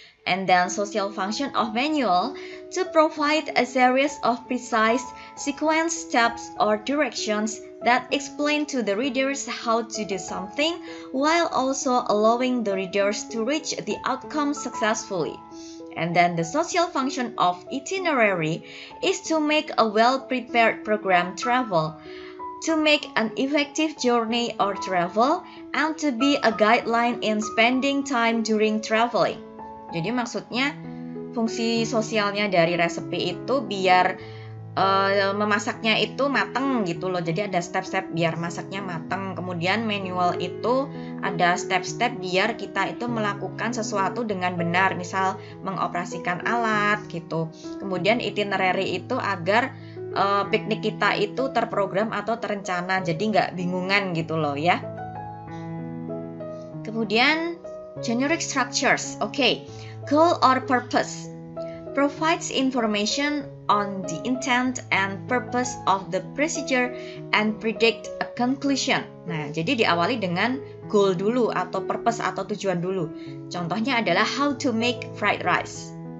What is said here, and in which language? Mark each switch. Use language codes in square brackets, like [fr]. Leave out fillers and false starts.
[en] And then social function of manual to provide a series of precise sequence steps or directions that explain to the readers how to do something while also allowing the readers to reach the outcome successfully. And then the social function of itinerary is to make a well-prepared program travel, to make an effective journey or travel, and to be a guideline in spending time during traveling. [id] Jadi maksudnya fungsi sosialnya dari resepi itu biar memasaknya itu mateng gitu loh. Jadi ada step-step biar masaknya mateng. Kemudian manual itu ada step-step biar kita itu melakukan sesuatu dengan benar. Misal mengoperasikan alat gitu. Kemudian itinerary itu agar piknik kita itu terprogram atau terencana. Jadi gak bingungan gitu loh ya. Kemudian generic structures. Okay. [en] Goal or purpose provides information on the intent and purpose of the procedure and predict a conclusion. [id] Nah, jadi diawali dengan goal dulu atau purpose atau tujuan dulu. Contohnya adalah [en] how to make fried rice.